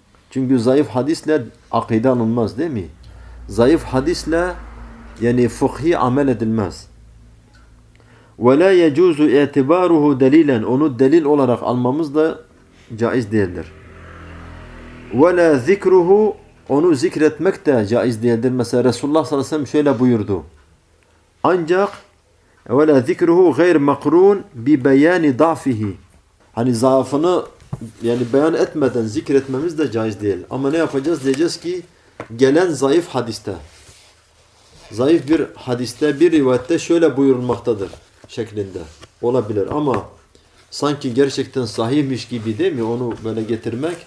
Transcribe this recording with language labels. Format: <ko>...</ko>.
<tr>Çünkü zayıf hadisle akide alınmaz değil mi? Zayıf hadisle yani fıkhi amel edilmez.</tr> <ar>وَلَا يَجُوزُ اِعْتِبَارُهُ دَلِيلًا.</ar> <tr>Onu delil olarak almamız da caiz değildir.</tr> <ar>وَلَا ذِكْرُهُ.</ar> <tr>Onu zikretmek de caiz değildir. Mesela Resulullah sallallahu aleyhi ve sellem şöyle buyurdu. Ancak</tr> <ar>وَلَا ذِكْرُهُ غَيْرْ مَقْرُونَ بِبَيَانِ ضَعْفِهِ.</ar> <tr>Hani zaafını yani beyan etmeden zikretmemiz de caiz değil. Ama ne yapacağız? Diyeceğiz ki gelen zayıf hadiste, zayıf bir hadiste, bir rivayette şöyle buyurulmaktadır şeklinde olabilir. Ama sanki gerçekten sahihmiş gibi değil mi onu böyle getirmek?</tr>